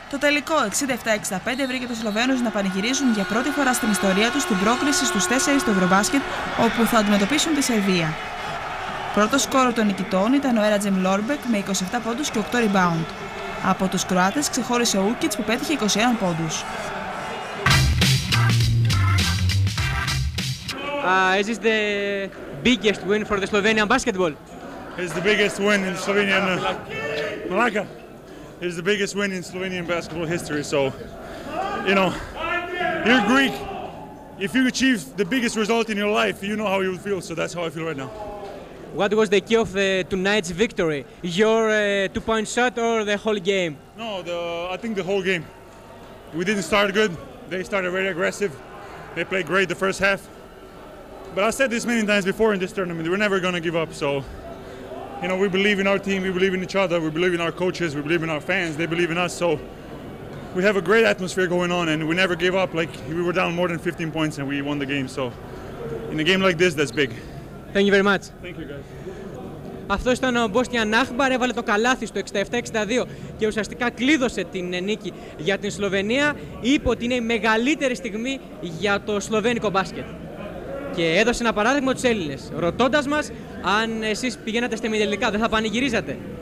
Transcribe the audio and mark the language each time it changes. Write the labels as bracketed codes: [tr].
[el] Το τελικό 67-65 βρήκε τους Σλοβαίνους να πανηγυρίζουν για πρώτη φορά στην ιστορία τους την πρόκριση στους 4 στο Ευρωμπάσκετ, όπου θα αντιμετωπίσουν τη Σερβία. Πρώτο σκόρο των νικητών ήταν ο Έρατζεμ Λόρμπεκ με 27 πόντους και 8 rebound. Από τους Κροάτες ξεχώρισε ο Ούκιτς που πέτυχε 21 πόντους. [en] Is the biggest win for the Slovenian basketball? It's the biggest win in Slovenian Malaga. It's the biggest win in Slovenian basketball history. So, you know, you're Greek. If you achieve the biggest result in your life, you know how you feel. So that's how I feel right now. What was the key of tonight's victory? Your two-point shot or the whole game? No, I think the whole game. We didn't start good. They started very aggressive. They played great the first half. But I said this many times before in this tournament, we're never going to give up. So, you know, we believe in our team, we believe in each other, we believe in our coaches, we believe in our fans, they believe in us. So we have a great atmosphere going on and we never gave up. Like, we were down more than 15 points and we won the game. So in a game like this, that's big. Thank you very much. Thank you, guys. [el] Αυτό ήταν ο Μπόστιαν Νάχμπαρ, έβαλε το καλάθι στο 67-62 και ουσιαστικά κλείδωσε την νίκη για την Σλοβενία. Είπε ότι είναι η μεγαλύτερη στιγμή για το σλοβένικο μπάσκετ. Και έδωσε ένα παράδειγμα τους Έλληνες, ρωτώντας μας αν εσείς πηγαίνατε στα ημιτελικά, δεν θα πανηγυρίζατε.